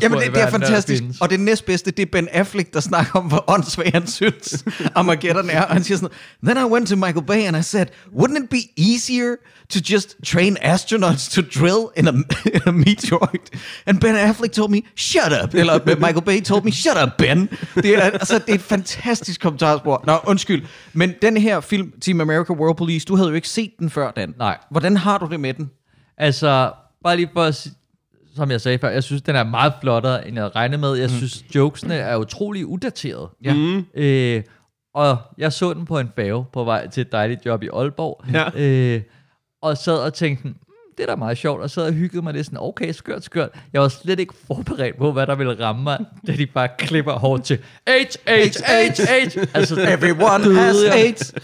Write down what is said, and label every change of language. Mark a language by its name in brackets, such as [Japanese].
[Danish] Jamen, det er fantastisk. Og det næstbedste, det er Ben Affleck, der snakker om, hvor åndssvagt han synes, Armageddon er. Og han siger sådan, [English] then I went to Michael Bay and I said, wouldn't it be easier to just train astronauts to drill in a meteorite? And Ben Affleck told me, shut up. Eller Michael Bay told me, shut up, Ben. [Danish] Det er et fantastisk kommentarspor. Nå, undskyld. Men den her film, Team America World Police, du havde jo ikke set den før, Dan. Nej. Hvordan har du det med den? Altså, bare lige for at sige, som jeg sagde før, jeg synes, den er meget flottere, end jeg regnede med. Jeg synes, jokesene er utrolig udaterede. Ja. Mm. Og jeg så den på en færge på vej til et dejligt job i Aalborg. Ja. Og sad og tænkte, det er da meget sjovt, og så havde jeg hygget mig lidt sådan, okay, skørt. Jeg var slet ikke forberedt på, hvad der ville ramme mig, da de bare klipper hårdt til AIDS. [English] Altså, everyone has AIDS.